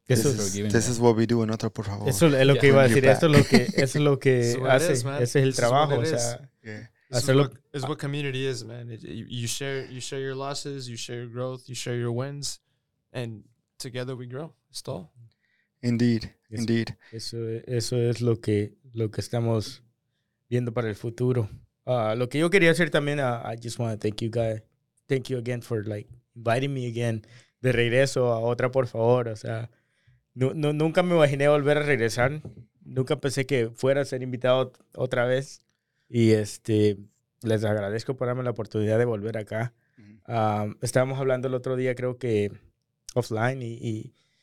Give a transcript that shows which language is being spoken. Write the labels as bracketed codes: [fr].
[en] This is what we do in Otra, por favor. [es] Eso es lo que iba a decir. Eso es lo que hace. Ese es el trabajo. [en] It's what community is, man. You share your losses, you share your growth, you share your wins, and together we grow. It's all. Indeed. [es] Eso es lo que estamos viendo para el futuro. Lo que yo quería hacer también, [en] I just want to thank you guys. Thank you again for, like, inviting me again. [es] De regreso a Otra, por favor. O sea, nunca me imaginé volver a regresar. Nunca pensé que fuera a ser invitado otra vez. Y les agradezco por darme la oportunidad de volver acá. Mm-hmm. Estábamos hablando el otro día, creo que offline, y